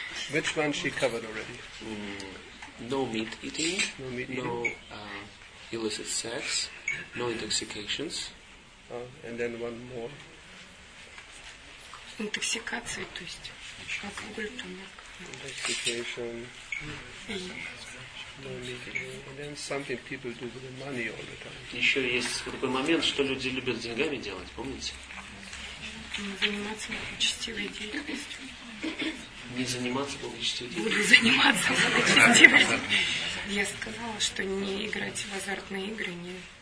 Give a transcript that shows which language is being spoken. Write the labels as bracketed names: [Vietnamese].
[English] Which one she covered already? No meat eating, no, meat no eating. Illicit sex, no intoxications. And then one more. [Russian] Интоксикация, то есть алкоголь, табак. [English] Intoxication. No meat eating. And then something people do with the money all the time. [Russian] Еще есть такой момент, что люди любят с деньгами делать, помните? Заниматься благочестивой деятельностью. Не заниматься благочестивой. Буду заниматься благочестивой. Я сказала, что не играть в азартные игры, не.